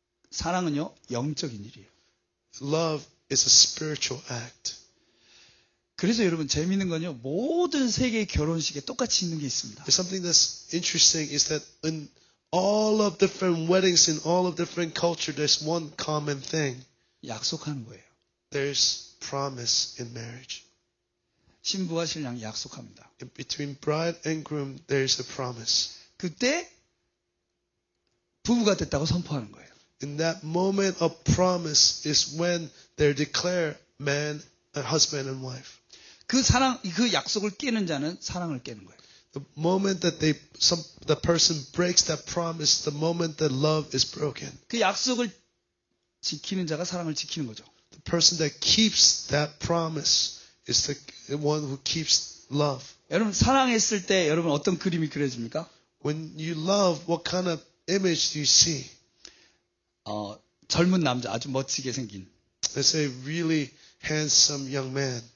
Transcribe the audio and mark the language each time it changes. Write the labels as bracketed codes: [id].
[ko] 사랑은요, 영적인 일이에요. [en] Love is a spiritual act. [ko] 그래서 여러분 재미있는 건요, 모든 세계의 결혼식에 똑같이 있는 게 있습니다. [en] But something that's interesting is that in all of different weddings in all of different cultures there's one common thing. [ko] 약속하는 거예요. [en] There's promise in marriage. [ko] 신부와 신랑 약속합니다. [en] Between bride and groom, there is a promise. [ko] 그때 부부가 됐다고 선포하는 거예요. [en] In that moment of promise is when they declare man and husband and wife. [ko] 그 사랑, 그 약속을 깨는 자는 사랑을 깨는 거예요. [en] The moment that the person breaks that promise, the moment that love is broken. [ko] 그 약속을 지키는 자가 사랑을 지키는 거죠. [en] The person that keeps that promise is the one who keeps love. [ko] 여러분 사랑했을 때 여러분 어떤 그림이 그려집니까? [en] When you love, what kind of image do you see? [ko] 젊은 남자, 아주 멋지게 생긴. [en] Let's say really handsome young man.